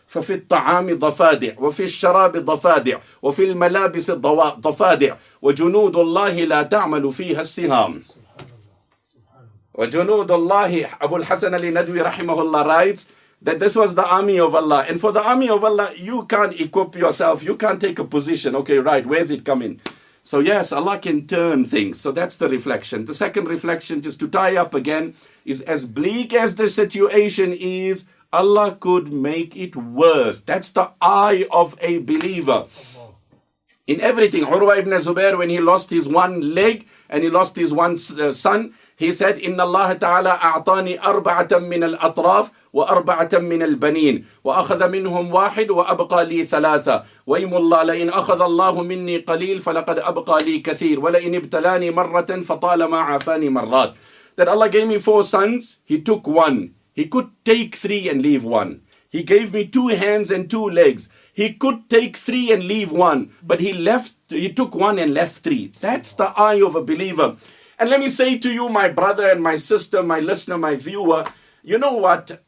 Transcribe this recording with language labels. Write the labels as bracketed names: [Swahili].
[Arabic] ففي الطعام ضفادع وفي الشراب ضفادع وفي الملابس ضفادع وجنود الله لا تعمل فيها السهام. وجنود الله أبو الحسن الندوي رحمه الله [English] writes that this was the army of Allah. And for the army of Allah, you can't equip yourself. You can't take a position. Okay, right, where's it coming? So yes, Allah can turn things. So that's the reflection. The second reflection, just to tie up again, is as bleak as the situation is, Allah could make it worse. That's the eye of a believer. In everything, Urwa ibn Zubair, when he lost his one leg and he lost his one son, he said, [Arabic] إِنَّ اللَّهَ تَعَالَىٰ أَعْطَانِي أَرْبَعَةً مِنَ الْأَطْرَافِ وَأَرْبَعَةً مِنَ الْبَنِينَ وَأَخَذَ مِنْهُمْ وَاحِدٌ وَأَبْقَى لِي ثَلَاثَةً وَإِمُّ اللَّهِ لَئِنْ أَخَذَ اللَّهُ مِنِّي قَلِيلٌ فَلَقَدْ أَبْقَى لِي كَثِيرٌ وَلَئِنْ ابْتَلَانِي مَرَّةً فَطَالَمَا عَافَانِي مَرَّاتٍ. [English] That Allah gave me four sons, He took one. He could take three and leave one. He gave me two hands and two legs. He could take three and leave one. But He took one and left three. That's the eye of a believer. And let me say to you, my brother and my sister, my listener, my viewer, you know what?